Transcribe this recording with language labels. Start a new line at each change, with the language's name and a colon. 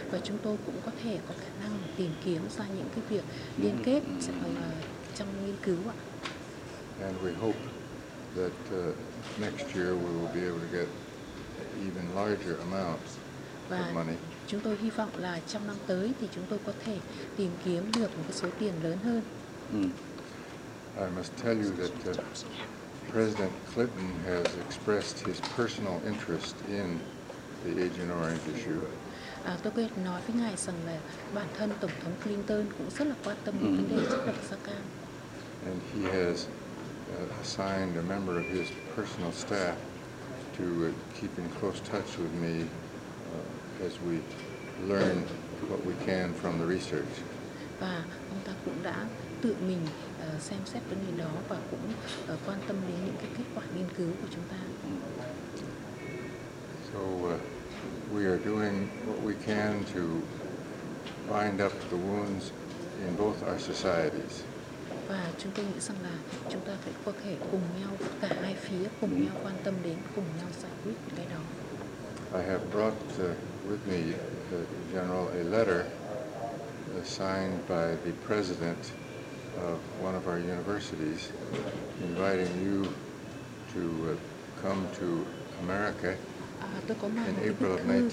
Vietnamese: Và chúng tôi cũng có thể có khả năng tìm kiếm ra những cái việc liên kết trong nghiên cứu ạ.
English: And we hope that next year we will be able to get even larger amounts of money.
Vietnamese: Chúng tôi hy vọng là trong năm tới thì chúng tôi có thể tìm kiếm được một cái số tiền lớn hơn.
English: I must tell you that President Clinton has expressed his personal interest in the Agent Orange issue.
Vietnamese: Tôi có thể nói với ngài rằng là bản thân Tổng thống Clinton cũng rất là quan tâm đến vấn đề chất độc da cam.
English: And he has assigned a member of his personal staff to keep in close touch with me as we learn what we can from the research.
Vietnamese: Và ông ta cũng đã tự mình xem xét vấn đề đó và cũng quan tâm đến những cái kết quả nghiên cứu của chúng ta.
English: So we are doing what we can to bind up the wounds in both our societies.
Vietnamese: Và chúng tôi nghĩ rằng là chúng ta phải có thể cùng nhau, cả hai phía cùng nhau quan tâm đến, cùng nhau giải quyết cái đó.
English: I have brought with me, General, a letter signed by the president of one of our universities, inviting you to come to America in April of